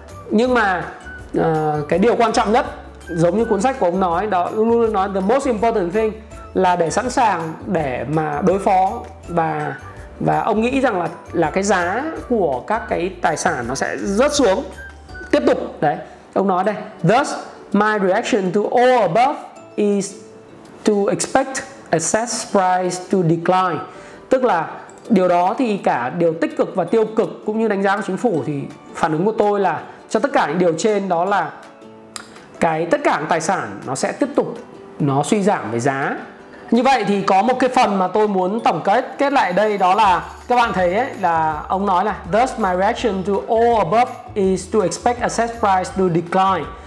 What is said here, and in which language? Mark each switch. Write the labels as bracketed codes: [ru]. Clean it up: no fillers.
[vi] Nhưng mà cái điều quan trọng nhất, giống như cuốn sách của ông nói đó, luôn nói [en] the most important thing, [vi] là để sẵn sàng để mà đối phó. Và ông nghĩ rằng là cái giá của các cái tài sản nó sẽ rớt xuống tiếp tục đấy. Ông nói đây: [en] thus my reaction to all above is to expect asset price to decline. [vi] Tức là điều đó thì cả điều tích cực và tiêu cực cũng như đánh giá của chính phủ, thì phản ứng của tôi là cho tất cả những điều trên, đó là cái tất cả tài sản nó sẽ tiếp tục nó suy giảm về giá. Như vậy thì có một cái phần mà tôi muốn tổng kết lại đây, đó là các bạn thấy ấy, là ông nói là [en] thus my reaction to all above is to expect asset price to decline.